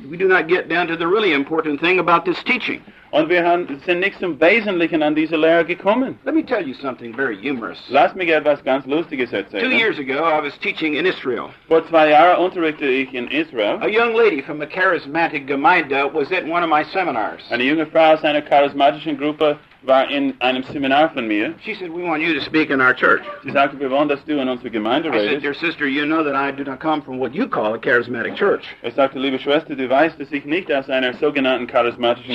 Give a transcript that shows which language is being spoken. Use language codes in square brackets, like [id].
[en] We do not get down to the really important thing about this teaching. [de] Und wir sind nicht zum Wesentlichen an diese Lehre gekommen. [en] Let me tell you something very humorous. [de] Lass mich etwas ganz Lustiges erzählen. [en] 2 years ago, I was teaching in Israel. [de] Vor 2 Jahren unterrichtete ich in Israel. [en] A young lady from a charismatic Gemeinde was at one of my seminars. [de] Eine junge Frau aus einer charismatischen Gruppe war in einem Seminar von mir. [en] She said, "We want you to speak in our church." [de] Sie sagte, wir wollen, dass du in unserer Gemeinde redest. [en] I said, "Dear sister, you know that I do not come from what you call a charismatic church." [de] Ich sagte, liebe Schwester, du weißt, dass ich nicht aus einer sogenannten charismatischen